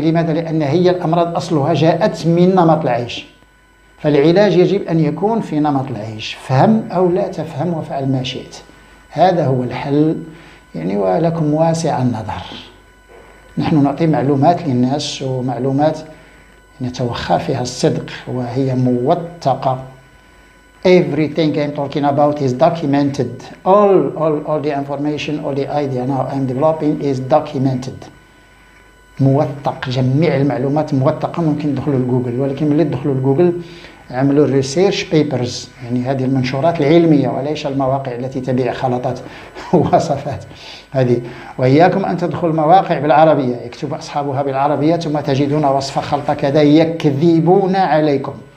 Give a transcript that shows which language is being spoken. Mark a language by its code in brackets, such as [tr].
[ar] لماذا؟ لأن هي الأمراض أصلها جاءت من نمط العيش، فالعلاج يجب أن يكون في نمط العيش، فهم أو لا تفهم وفعل ما شئت، هذا هو الحل يعني، ولكم واسع النظر. نحن نعطي معلومات للناس ومعلومات نتوخى فيها الصدق وهي موثقة. [en] Everything I'm talking about is documented. All the information, all the idea now I'm developing is documented. [ar] موثق، جميع المعلومات موثقة. ممكن تدخلوا لجوجل، ولكن ملي تدخلوا لجوجل عملوا [en] research papers، [ar] يعني هذه المنشورات العلمية وليس المواقع التي تبيع خلطات ووصفات هذه. وإياكم أن تدخل مواقع بالعربية، يكتب أصحابها بالعربية ثم تجدون وصفة خلطة كذا، يكذبون عليكم.